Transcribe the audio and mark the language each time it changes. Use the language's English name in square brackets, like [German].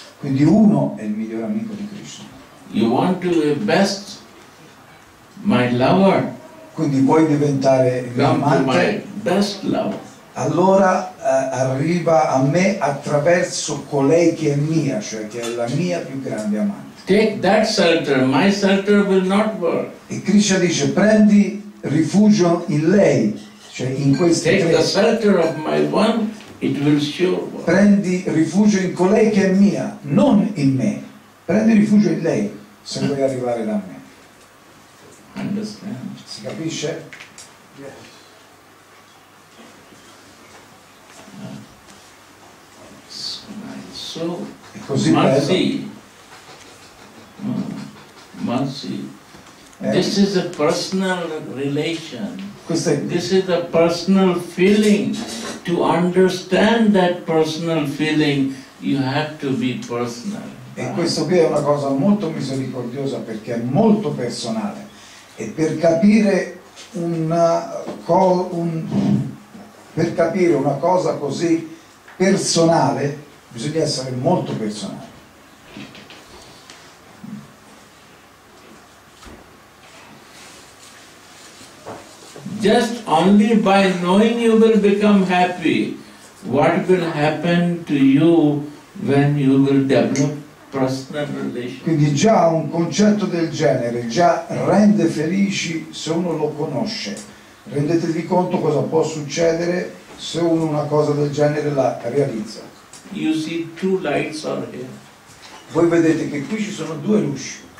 [Italian] Quindi uno è il miglior amico di Krishna. [English] You want to be best my lover? [Italian] Quindi vuoi diventare il mio amante? [English] My best lover. [Italian] Allora arriva a me attraverso colei che è mia, cioè che è la mia più grande amante. [English] Take that shelter, my shelter will not work. [Italian] E Krishna dice, prendi rifugio in lei, cioè in questi [English] Take [Italian] tre. [English] The shelter of my one, it will sure work. [Italian] Prendi rifugio in colei che è mia, non in me. Prendi rifugio in lei, se vuoi arrivare da me. [English] Understand. [Italian] Si capisce? [English] Yes. So, [Italian] è così mercy, mercy. [English] This is a personal relation. This is a personal feeling. To understand that personal feeling, you have to be personal. [Italian] E questo qui è una cosa molto misericordiosa perché è molto personale. E per capire una cosa così personale, bisogna essere molto personale. [English] Just only by knowing you will become happy, what will happen to you when you will develop personal relation? [Italian] Quindi già un concetto del genere già rende felici se uno lo conosce. Rendetevi conto cosa può succedere se uno una cosa del genere la realizza. [English] You see two lights are here. [Italian] Voi vedete che qui ci sono due luci.